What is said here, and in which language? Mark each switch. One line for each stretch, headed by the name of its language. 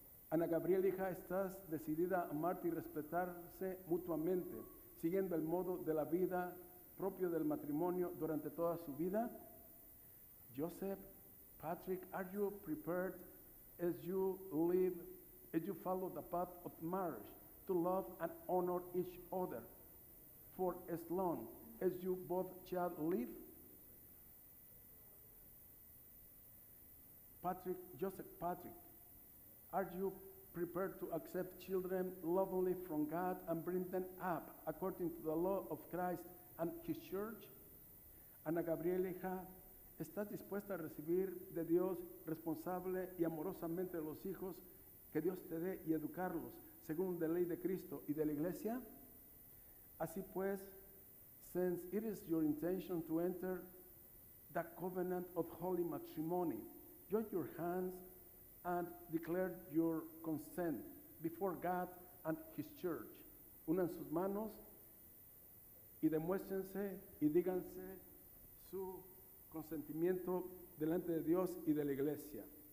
Spanish: Ana Gabriela, hija, ¿estás decidida a amarte y respetarse mutuamente, siguiendo el modo de la vida propio del matrimonio durante toda su vida?
English: Joseph, Patrick, are you prepared as you follow the path of marriage to love and honor each other for as long as you both shall live? Joseph Patrick, are you prepared to accept children lovingly from God and bring them up according to the law of Christ and His church?
Spanish: Ana Gabriela, hija, ¿estás dispuesta a recibir de Dios responsable y amorosamente los hijos que Dios te dé y educarlos según la ley de Cristo y de la iglesia? Así pues,
English: since it is your intention to enter the covenant of holy matrimony, join your hands and declare your consent before God and His church.
Spanish: Unan sus manos y demuéstrense y díganse su consentimiento delante de Dios y de la iglesia.